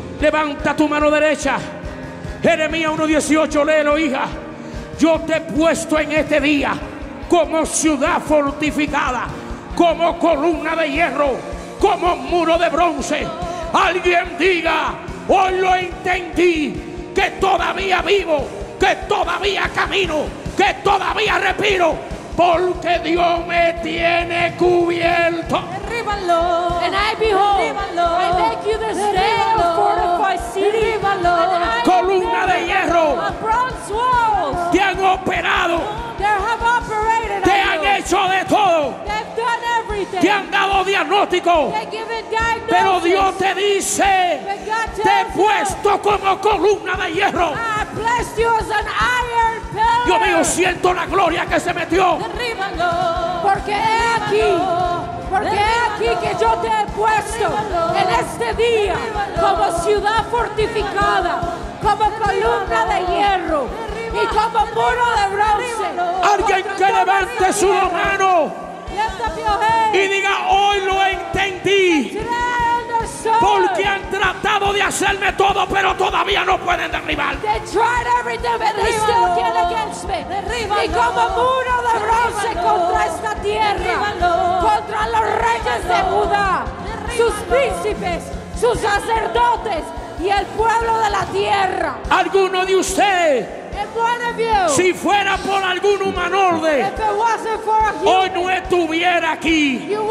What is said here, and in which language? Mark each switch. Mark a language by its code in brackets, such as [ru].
[es] Levanta tu mano derecha, Jeremías 1:18, léelo, hija, yo te he puesto en este día como ciudad fortificada, como columna de hierro, como muro de bronce. Alguien diga, hoy lo entendí, que todavía vivo, que todavía camino, que todavía respiro, porque Dios me tiene cubierto. Derríbalo. [en] And I behold, [es] derríbalo. [en] I make you the stand of fortified city. [es] Derríbalo. Columna de hierro. [en] A bronze wall. [es] Te han operado. [en] They have operated. [es] Te han hecho de todo. Te han dado diagnóstico. Pero Dios te dice, te he puesto como columna de hierro. Dios mío, siento la gloria que se metió. Derríbalo. Porque he aquí. Porque he aquí. aquí que yo te he puesto en este día como ciudad fortificada, como columna de hierro y como muro de bronce. Alguien que levante su mano y diga: hoy lo entendí. Porque han tratado de hacerme todo, pero todavía no pueden derribar. [en] They tried everything, but they still can't against me. [es] Derríbalo. Y como muro de bronce, derríbalo, contra esta tierra, derríbalo, contra los reyes, derríbalo, de Judá, derríbalo, sus príncipes, sus sacerdotes y el pueblo de la tierra. ¿Alguno de ustedes? Si fuera por algún humano orden, hoy no estuviera aquí,